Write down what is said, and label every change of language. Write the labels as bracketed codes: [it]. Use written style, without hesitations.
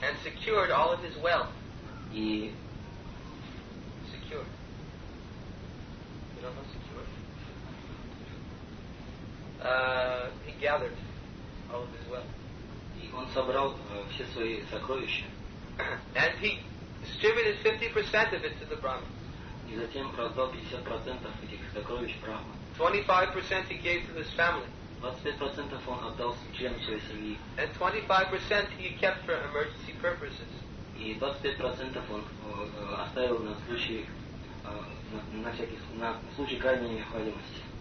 [en] and secured all of his wealth. [ru] И [en] secured. You don't know secured. He gathered all of his wealth. [ru] И он собрал все свои сокровища. [en] And he distributed 50% of it to the Brahmins. [ru] И затем продал 50% этих сокровищ Брахма. [en] 25% he gave to his family. [ru] 25% он отдал членам своей семьи. [en] And 25% he kept for emergency purposes. [ru] И 25% он оставил на случай на случай крайней необходимости.